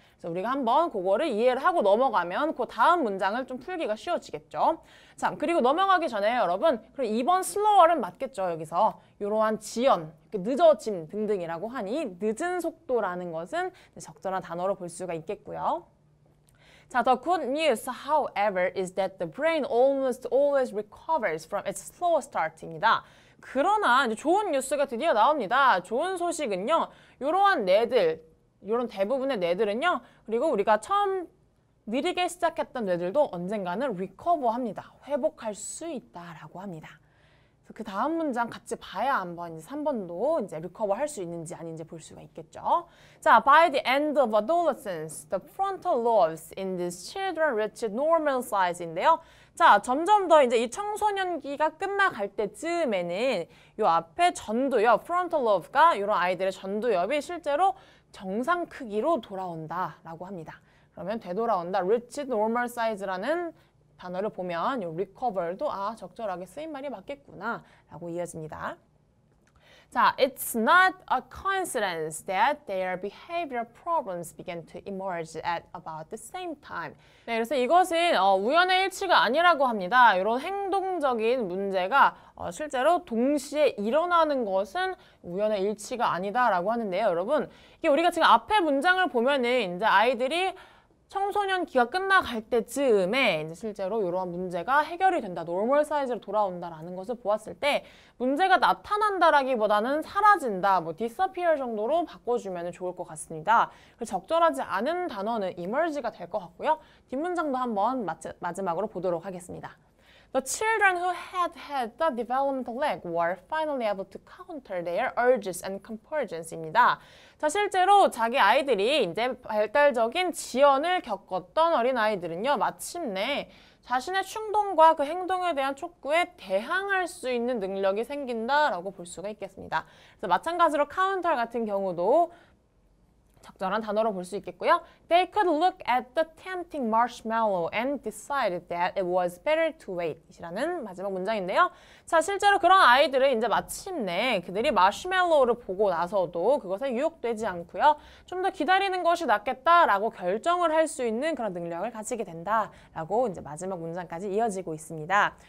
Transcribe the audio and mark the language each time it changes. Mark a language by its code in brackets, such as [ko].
[ko] 그래서 우리가 한번 그거를 이해를 하고 넘어가면 그 다음 문장을 좀 풀기가 쉬워지겠죠. 자, 그리고 넘어가기 전에 여러분, 그럼 2번 slower은 맞겠죠, 여기서. 이러한 지연, 늦어짐 등등이라고 하니 늦은 속도라는 것은 적절한 단어로 볼 수가 있겠고요. [en] 자, the good news, however, is that the brain almost always recovers from its slow start [ko] 입니다. 그러나 이제 좋은 뉴스가 드디어 나옵니다. 좋은 소식은요, 이러한 뇌들, 이런 대부분의 뇌들은요, 그리고 우리가 처음 느리게 시작했던 뇌들도 언젠가는 recover합니다. 회복할 수 있다라고 합니다. 그 다음 문장 같이 봐야 한번 이제 3번도 이제 recover 할수 있는지 아닌지 볼 수가 있겠죠. [en] 자, by the end of adolescence, the frontal lobes in these children reached normal size [ko] 인데요. 자, 점점 더 이제 이 청소년기가 끝나갈 때쯤에는 요 앞에 전두엽, frontal lobe가 이런 아이들의 전두엽이 실제로 정상 크기로 돌아온다라고 합니다. 그러면 되돌아온다, [en] reached normal size [ko] 라는 단어를 보면 요 recover도 아 적절하게 쓰인 말이 맞겠구나라고 이어집니다. [en] 자, it's not a coincidence that their behavior problems began to emerge at about the same time. [ko] 네, 그래서 이것은 우연의 일치가 아니라고 합니다. 이런 행동적인 문제가 실제로 동시에 일어나는 것은 우연의 일치가 아니다라고 하는데요, 여러분. 이게 우리가 지금 앞에 문장을 보면은 이제 아이들이 청소년기가 끝나갈 때쯤에 이제 실제로 이러한 문제가 해결이 된다, 노멀 사이즈로 돌아온다라는 것을 보았을 때 문제가 나타난다라기보다는 사라진다, 뭐 disappear 정도로 바꿔주면 좋을 것 같습니다. 적절하지 않은 단어는 emerge가 될 것 같고요. 뒷문장도 한번 마지막으로 보도록 하겠습니다. [en] The children who had had the developmental lag were finally able to counter their urges and compulsions [ko] 입니다. 자, 실제로 자기 아이들이 이제 발달적인 지연을 겪었던 어린아이들은요, 마침내 자신의 충동과 그 행동에 대한 촉구에 대항할 수 있는 능력이 생긴다라고 볼 수가 있겠습니다. 그래서 마찬가지로 counter 같은 경우도 적절한 단어로 볼 수 있겠고요. [en] They could look at the tempting marshmallow and decided that it was better to wait. [ko] 이라는 마지막 문장인데요. 자, 실제로 그런 아이들은 이제 마침내 그들이 마시멜로우를 보고 나서도 그것에 유혹되지 않고요. 좀 더 기다리는 것이 낫겠다라고 결정을 할 수 있는 그런 능력을 가지게 된다라고 이제 마지막 문장까지 이어지고 있습니다.